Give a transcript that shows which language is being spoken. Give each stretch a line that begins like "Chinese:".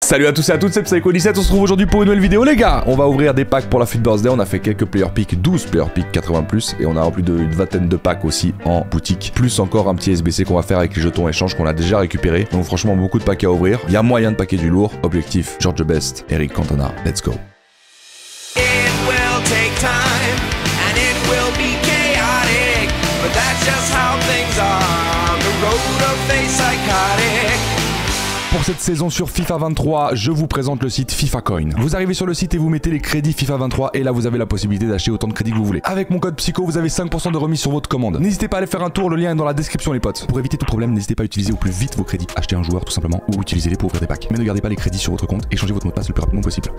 French: Salut à tous et à toutes, c'est Psycho 17, on se retrouve aujourd'hui pour une nouvelle vidéo les gars. On va ouvrir des packs pour la Fit Birthday, on a fait quelques player picks, 12 player picks 80+, et on a en plus d'une vingtaine de packs aussi en boutique. Plus encore un petit SBC qu'on va faire avec les jetons échange qu'on a déjà récupéré. Donc franchement beaucoup de packs à ouvrir, il y a moyen de packer du lourd. Objectif, George Best, Eric Cantona,
English: let's go. It will take time, and it will be chaotic, but that's just how things are, the road of face psychotic.
French: Pour cette saison sur FIFA 23, je vous présente le site FIFA Coin. Vous arrivez sur le site et vous mettez les crédits FIFA 23 et là vous avez la possibilité d'acheter autant de crédits que vous voulez. Avec mon code PSYCHO, vous avez 5% de remise sur votre commande. N'hésitez pas à aller faire un tour, le lien est dans la description les potes. Pour éviter tout problème, n'hésitez pas à utiliser au plus vite vos crédits. Achetez un joueur tout simplement ou utilisez-les pour ouvrir des packs. Mais ne gardez pas les crédits sur votre compte et changez votre mot de passe le plus rapidement possible.